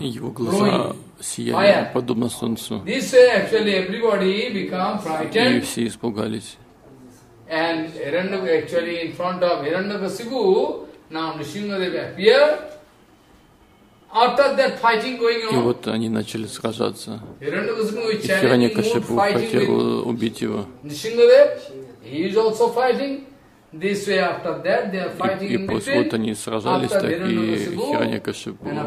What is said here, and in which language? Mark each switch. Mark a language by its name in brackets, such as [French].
[Russian] Его глаза сияние, подобно солнцу. [English] This way actually everybody become frightened. [Russian] И все испугались. [English] And Hiranyaka actually in front of Hiranyakasipu, now Nrisimhadev appear. After that fighting going on. [Russian] И вот они начали сражаться. [English] Hiranyakasipu is challenging. Hiranyakasipu [Russian] хотел убить его. [English] Nrisimhadev, he is also fighting. This way after that they are fighting in between. [Russian] И после они сражались, так и Хиранякашипу.